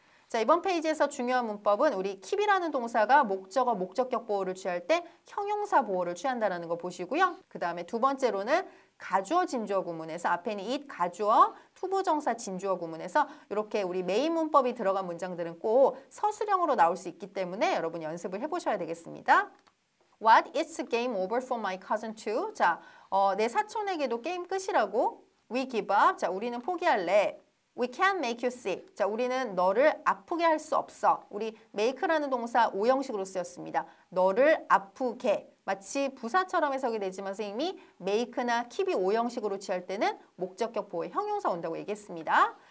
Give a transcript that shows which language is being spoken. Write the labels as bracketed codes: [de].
[ko] 자 이번 페이지에서 중요한 문법은 우리 keep이라는 동사가 목적어, 목적격 보호를 취할 때 형용사 보호를 취한다라는 거 보시고요. 그 다음에 두 번째로는 가주어 진주어 구문에서 앞에 있는 it 가주어 to 부정사 진주어 구문에서 이렇게 우리 메인 문법이 들어간 문장들은 꼭 서술형으로 나올 수 있기 때문에 여러분 연습을 해보셔야 되겠습니다. [en] What is game over for my cousin too? [ko] 자, 내 사촌에게도 게임 끝이라고? [en] We give up. [ko] 자, 우리는 포기할래. [en] We can't make you sick. [ko] 자, 우리는 너를 아프게 할 수 없어. 우리 make라는 동사 오형식으로 쓰였습니다. 너를 아프게. 마치 부사처럼 해석이 되지만 선생님이 make나 keep이 오형식으로 취할 때는 목적격 보호의 형용사 온다고 얘기했습니다.